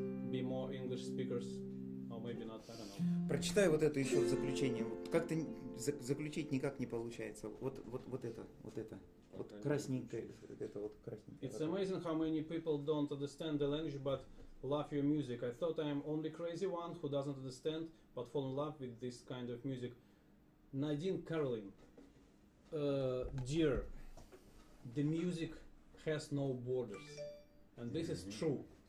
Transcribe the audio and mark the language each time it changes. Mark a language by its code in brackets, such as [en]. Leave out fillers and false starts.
[en] be more English speakers, or maybe not, I don't know. [ru] Прочитаю вот это еще в заключение. Вот как-то заключить никак не получается. Вот это. Красненькое. [en] It's amazing how many people don't understand the language, but love your music. I thought I am only crazy one who doesn't understand, but fall in love with this kind of music. Nadine Carlin. Dear, the music has no borders. And this is true.